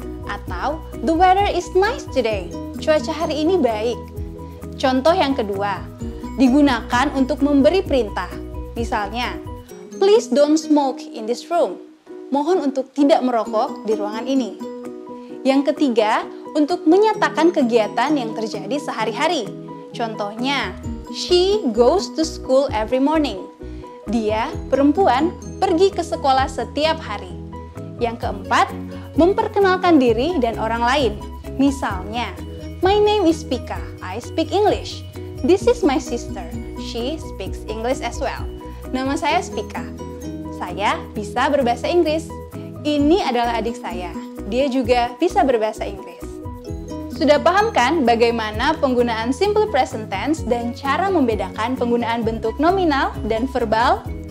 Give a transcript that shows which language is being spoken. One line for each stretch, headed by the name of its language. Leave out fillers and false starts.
English: Atau, the weather is nice today.
Indonesian: Cuaca hari ini baik. Contoh yang kedua, digunakan untuk memberi perintah. Misalnya,
English: please don't smoke in this room.
Indonesian: Mohon untuk tidak merokok di ruangan ini. Yang ketiga, untuk menyatakan kegiatan yang terjadi sehari-hari. Contohnya,
English: she goes to school every morning.
Indonesian: Dia, perempuan, pergi ke sekolah setiap hari. Yang keempat, memperkenalkan diri dan orang lain. Misalnya,
English: my name is Pika, I speak English. This is my sister, she speaks English as well.
Indonesian: Nama saya Pika. Saya bisa berbahasa Inggris. Ini adalah adik saya. Dia juga bisa berbahasa Inggris. Sudah paham kan bagaimana penggunaan simple present tense dan cara membedakan penggunaan bentuk nominal dan verbal?